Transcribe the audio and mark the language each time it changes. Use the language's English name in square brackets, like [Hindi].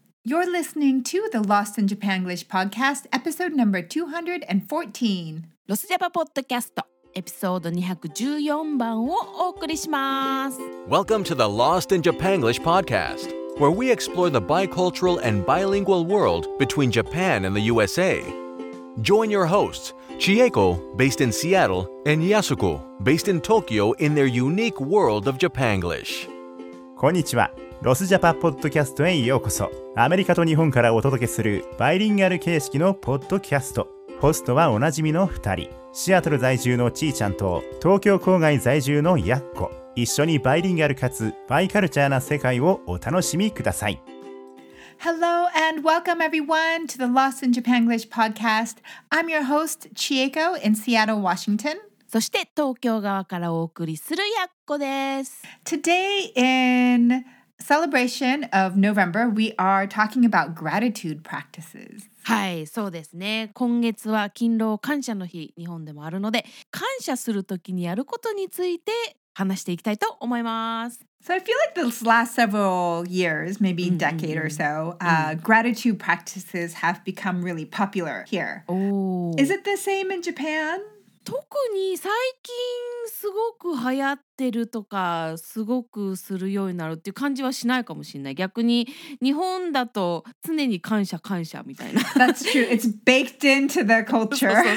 [English] You're listening to the Lost in Japanglish podcast, episode number 214. [Japanese] ロスジャパポッドキャスト、エピソード214番をお送りします。 [English] Welcome to the Lost in Japanglish podcast, where we explore the bicultural and bilingual world between Japan and the USA. Join your hosts, Chieko, based in Seattle, and Yasuko, based in Tokyo, in their unique world of Japanglish. [Japanese] こんにちは。ロスジャパポッドキャストへようこそ。アメリカと日本からお届けするバイリンガル形式のポッドキャスト。ホストはおなじみの2人、シアトル在住のちーちゃんと東京郊外在住のやっこ。一緒にバイリンガルかつバイカルチャーな世界をお楽しみください。 [English] Hello and welcome everyone to the Lost in Japanglish podcast. I'm your host, Chieko in Seattle, Washington. [Japanese] そして東京側からお送りするやっこです。 [English] Today in celebration of November, we are talking about gratitude practices. [Japanese] はい、そうですね。今月は勤労感謝の日、日本でもあるので、感謝するときにやることについて話していきたいと思います。 [English] So I feel like this last several years, maybe a decade or so, gratitude practices have become really popular here. Is it the same in Japan? [Japanese] 特に最近すごく流行ってるとかすごくするようになるっていう感じはしないかもしれない。逆に日本だと常に感謝感謝みたいな。 [English] That's true. It's baked into the culture.